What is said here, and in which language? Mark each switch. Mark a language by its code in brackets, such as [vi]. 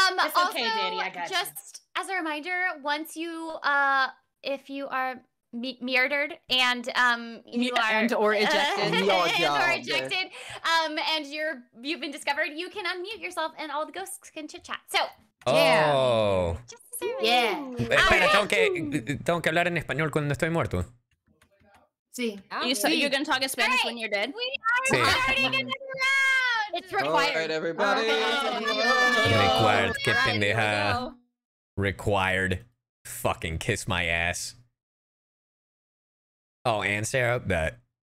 [en] It's also, okay, Dani, I got just you. As a reminder, once you, if you are murdered and you are and or ejected, and you've been discovered, you can unmute yourself and all the ghosts can chit chat. So, [es] Espera, tengo que hablar en español cuando estoy muerto. Sí. [en] You're gonna talk in Spanish when you're dead. We are starting in the round. It's required. All right, everybody. Oh, required. [es] Qué pendeja. [en] Required. Fucking kiss my ass. Oh, and Sarah, bet.